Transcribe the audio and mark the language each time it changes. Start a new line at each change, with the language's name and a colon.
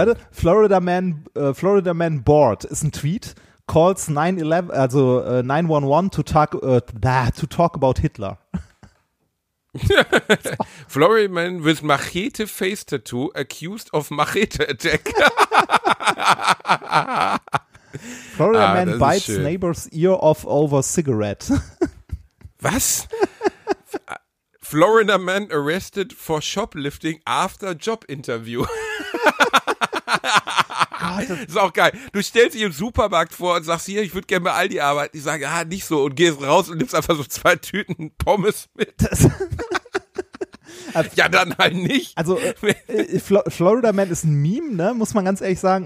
German: Florida Man, Florida Man Bored ist ein Tweet.
English: Calls 911, also 911 to talk, to talk about Hitler. Florida Man with Machete Face Tattoo accused of Machete Attack. Florida Man bites neighbor's ear off over cigarette.
German: Was?
English: Florida Man arrested for shoplifting after job interview.
German: Das ist auch geil. Du stellst dich im Supermarkt vor und sagst, hier, ich würde gerne bei Aldi arbeiten. Ich sage, ah, nicht so. Und gehst raus und nimmst einfach so zwei Tüten Pommes mit. Ja, dann halt nicht. Also, Florida Man ist ein Meme, ne? Muss man ganz ehrlich sagen.